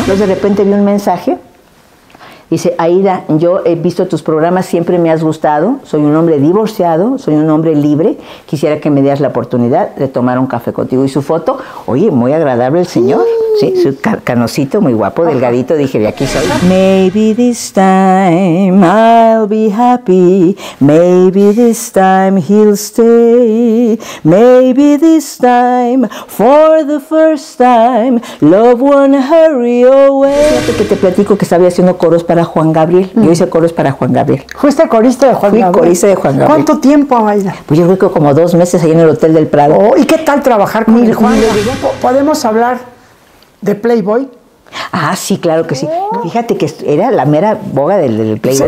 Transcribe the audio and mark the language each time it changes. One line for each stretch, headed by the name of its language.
Spanish: Entonces, de repente vi un mensaje. Dice, Aida, yo he visto tus programas, siempre me has gustado. Soy un hombre divorciado, soy un hombre libre. Quisiera que me dieras la oportunidad de tomar un café contigo. Y su foto, oye, muy agradable el señor. Sí, su canosito, muy guapo, delgadito. Dije, de aquí soy.
English: Maybe this time I'll be happy. Maybe this time he'll stay. Maybe this time, for the first time, love won't hurry away.
Spanish: Fíjate que te platico que estaba haciendo coros para Juan Gabriel. Yo hice coros para Juan Gabriel. ¿Fuiste corista de Juan Gabriel? Fui corista de Juan Gabriel. ¿Cuánto tiempo, Aida? Pues yo creo que como 2 meses ahí en el Hotel del Prado. Oh, ¿y qué tal trabajar con Juan? ¿Podemos hablar de Playboy? Ah, sí, claro que sí. Oh. Fíjate que era la mera boga del Playboy.